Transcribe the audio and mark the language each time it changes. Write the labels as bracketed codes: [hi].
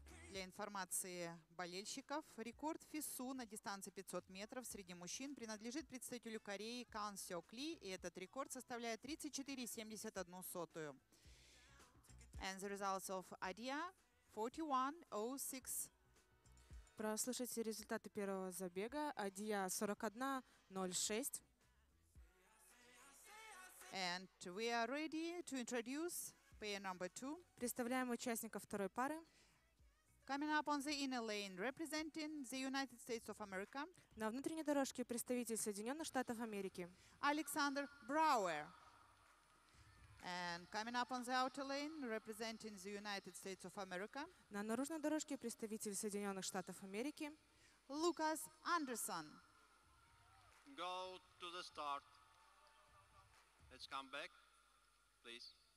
[ru] Для информации болельщиков, рекорд FISU на дистанции 500 метров среди мужчин принадлежит представителю Кореи Кан Сёк Ли, и этот рекорд составляет 34.71. [en] And the results of Adia, 41.06. [ru] Прослушайте результаты первого забега. Adia, 41.06. [en] And we are ready to introduce pair number two. [ru] Представляем участников второй пары. [en] Coming up on the inner lane, representing the United States of America. [ru] На внутренней дорожке представитель Соединенных Штатов Америки. [en] Alexander Brower. And coming up on the outer lane, representing the United States of America. [ru] На наружной дорожке представитель Соединенных Штатов Америки. [en] Lucas Anderson. Go to the start. Let's come back, please.